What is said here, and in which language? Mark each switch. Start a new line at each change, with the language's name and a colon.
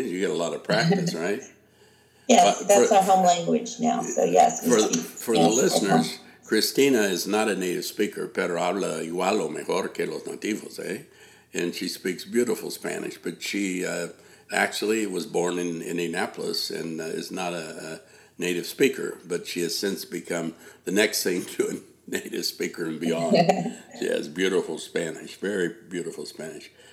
English: You get a lot of practice, right? Yes, our home language now. So yes. For the listeners, Cristina is not a native speaker,
Spanish: pero habla igual o mejor que los nativos, eh?
English: And she speaks beautiful Spanish, but she actually was born in Indianapolis and is not a native speaker, but she has since become the next thing to a native speaker and beyond. She has beautiful Spanish, very beautiful Spanish.